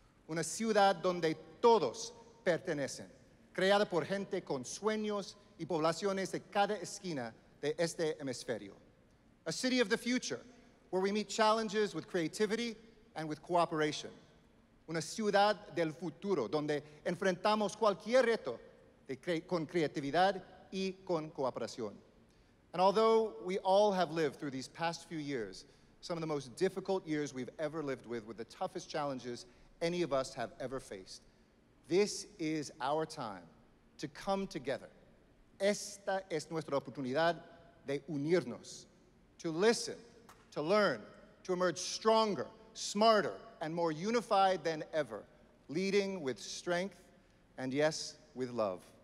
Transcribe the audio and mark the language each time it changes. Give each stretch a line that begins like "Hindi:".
Spanish: Una ciudad donde todos pertenecen, creada por gente con sueños y poblaciones de cada esquina de este hemisferio.
English: A city of the future, where we meet challenges with creativity and with cooperation.
Spanish: Una ciudad del futuro, donde enfrentamos cualquier reto con creatividad y con cooperación.
English: And although we all have lived through these past few years, some of the most difficult years we've ever lived with the toughest challenges any of us have ever faced, this is our time to come together.
Spanish: Esta es nuestra oportunidad de unirnos,
English: to listen, to learn, to emerge stronger, smarter, and more unified than ever, leading with strength and, yes, with love.